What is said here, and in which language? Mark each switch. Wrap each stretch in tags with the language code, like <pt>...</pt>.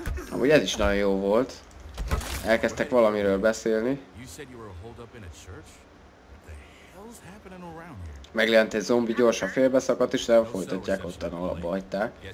<hu>Amúgy ez is nagyon jó volt. Elkezdtek valamiről beszélni.</hu> <en>You said you were holed up in a church? The hell's happening around here?</en> <hu>Megjelent egy zombi, gyorsan félbeszakadt és elfolytatják ottan, ahol abba hagyták.</hu>